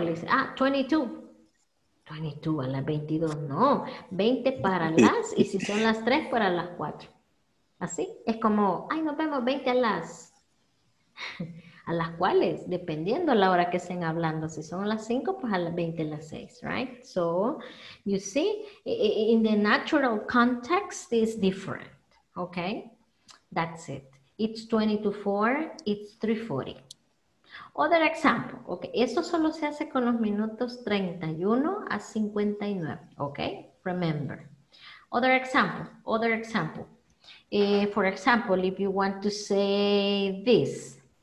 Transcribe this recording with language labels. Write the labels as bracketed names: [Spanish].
[Spanish] Le dice, ah, 22. 22, a las 22. No, 20 para las, y si son las 3, para las 4. ¿Así? Es como, ay, nos vemos 20 a las... A las cuales, dependiendo a la hora que estén hablando, si son las 5, pues a las 20, a las 6, right? [English] So, you see, in the natural context, it's different, okay? That's it. It's 22:04, it's 3:40. Other example, okay? [Spanish] Eso solo se hace con los minutos 31 a 59, okay? [English] Remember. Other example, other example. For example, if you want to say this.